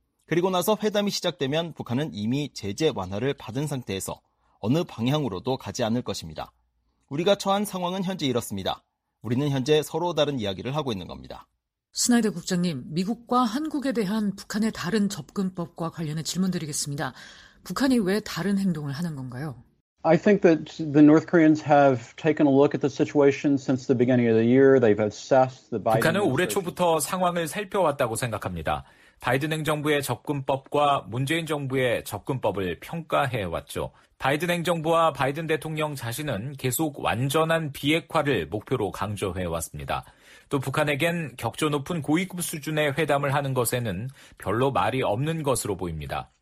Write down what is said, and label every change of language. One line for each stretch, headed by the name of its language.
Korean: 그리고 나서 회담이 시작되면 북한은 이미 제재 완화를 받은 상태에서 어느 방향으로도 가지 않을 것입니다. 우리가 처한 상황은 현재 이렇습니다. 우리는 현재 서로 다른 이야기를 하고 있는 겁니다. 스나이더 국장님, 미국과 한국에 대한 북한의 다른 접근법과 관련해 질문드리겠습니다. 북한이 왜 다른 행동을 하는 건가요?
English: I think that the North Koreans have taken a look at the situation since the beginning of the year. They've assessed the Biden.
Korean: 북한은 올해 초부터 상황을 살펴왔다고 생각합니다. 바이든 행정부의 접근법과 문재인 정부의 접근법을 평가해 왔죠. 바이든 행정부와 바이든 대통령 자신은 계속 완전한 비핵화를 목표로 강조해 왔습니다. 또 북한에겐 격조 높은 고위급 수준의 회담을 하는 것에는 별로 말이 없는 것으로 보입니다.